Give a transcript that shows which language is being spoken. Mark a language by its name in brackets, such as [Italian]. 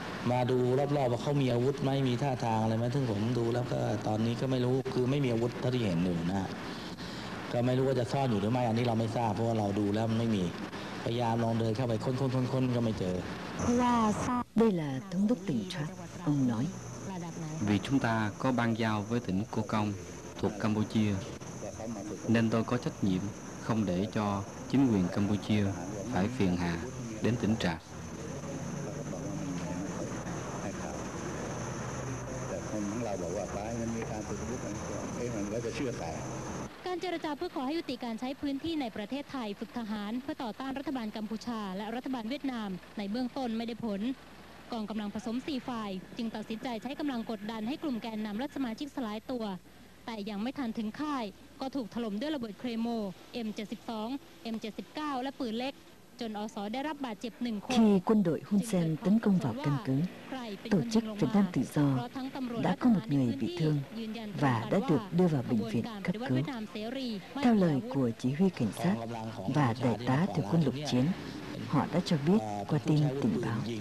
[Thai] มาดูรอบๆว่าเขามีอาวุธไหมมีท่าทางอะไรไหมซึ่งผมดูแล้วก็ตอนนี้ก็ไม่รู้คือไม่มีอาวุธที่เห็นอยู่นะก็ไม่รู้ว่าจะซ่อนอยู่หรือไม่อันนี้เราไม่ทราบเพราะว่าเราดูแล้วไม่มีพยายามลองเดินเข้าไปค้นๆๆๆก็ไม่เจอว่า ซ่อนนี่แหละทั้งทุกตึกชัดองน้อย [Vietnamese] vì chúng ta có ban giao với tỉnh Koh Kong thuộc Campuchia nên tôi có trách nhiệm không để cho chính quyền Campuchia phải phiền hà đến tỉnh Trạch. [Thai] การเจรจาเพื่อขอให้ยุติการใช้พื้นที่ในประเทศไทยฝึกทหารเพื่อต่อต้านรัฐบาลกัมพูชาและรัฐบาลเวียดนามในเบื้องต้นไม่ได้ผลกองกำลังผสม4ฝ่ายจึงตัดสินใจใช้กำลังกดดันให้กลุ่มแกนนำและสมาชิกสลายตัวแต่ยังไม่ทันถึงค่ายก็ถูกถล่มด้วยระเบิดเครโม M72 M79 และปืนเล็ก [Vietnamese] Khi quân đội Hun Sen tấn công vào căn cứ, tổ chức Việt Nam Tự Do đã có một người bị thương và đã được đưa vào bệnh viện cấp cứu. Theo lời của chỉ huy cảnh sát và đại tá thuộc quân lục chiến, họ đã cho biết qua tin tình báo.